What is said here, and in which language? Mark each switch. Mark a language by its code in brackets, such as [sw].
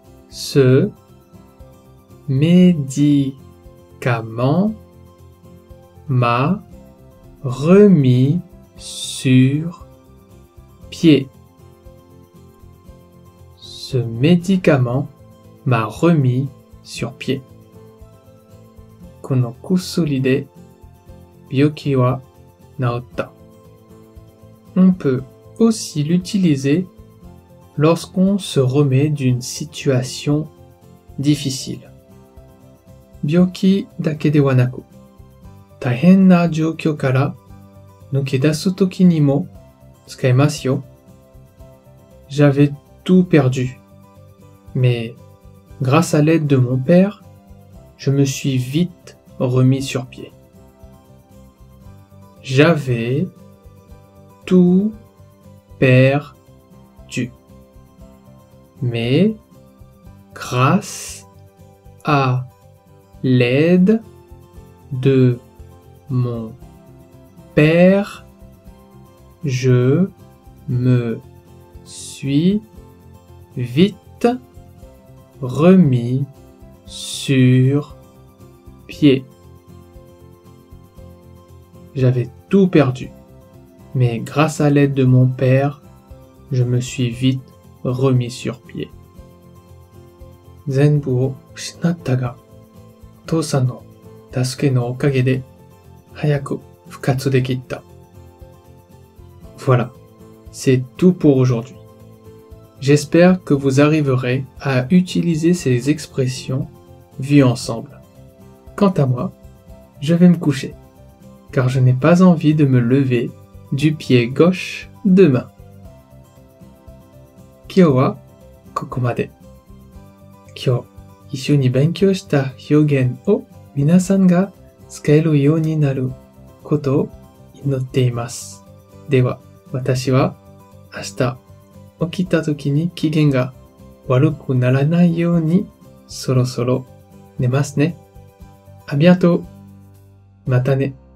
[fr] Ce médicament m'a remis sur pied. Ce médicament m'a remis sur pied. [ja] この薬で病気は治った。 [fr] On peut aussi l'utiliser lorsqu'on se remet d'une situation difficile. [ja] 病気だけではなく、大変な状況から抜け出すときにも使えますよ。 [fr] J'avais tout perdu, mais grâce à l'aide de mon père, je me suis vite remis sur pied. J'avais tout perdu. Mais grâce à l'aide de mon père, je me suis vite remis sur pied. J'avais tout perdu, mais grâce à l'aide de mon père, je me suis vite remis sur pied. [ja] 全部を失ったが、父さんの助けのおかげで、早く復活できた。 [fr] Voilà, c'est tout pour aujourd'hui. J'espère que vous arriverez à utiliser ces expressions vues ensemble. Quant à moi, je vais me coucher. Car je n'ai pas envie de me lever du pied gauche demain. [ja] 今日はここまで。今日一緒に勉強した表現を皆さんが使えるようになることを祈っています。では、私は明日起きた時に機嫌が悪くならないようにそろそろ寝ますね。あ、ありがとう。またね。